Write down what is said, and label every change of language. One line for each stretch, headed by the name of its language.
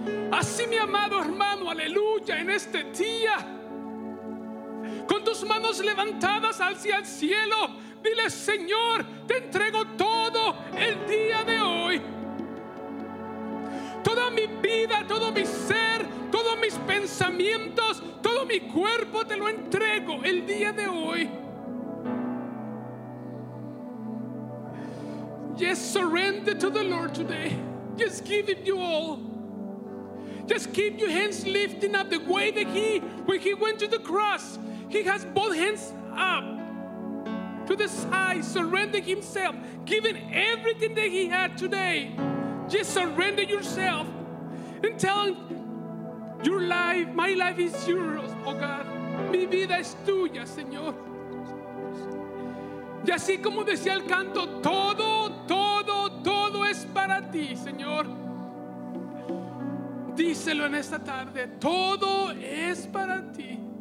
Spanish: Así, mi amado hermano, aleluya, en este día, con tus manos levantadas hacia el cielo, dile: Señor, te entrego todo el día de hoy. Toda mi vida, todo mi ser, todos mis pensamientos, todo mi cuerpo te lo entrego el día de hoy.
English: Just surrender to the Lord today. Just give it you all. Ya Just keep your hands lifting up the way that when he went to the cross. He has both hands up to the side, surrendering himself, giving everything that he had today. Just surrender yourself and tell him, your life, my life is yours, oh God.
Spanish: Mi vida es tuya, Señor. Y así como decía el canto, todo, todo, todo es para ti, Señor. Díselo en esta tarde, todo es para ti.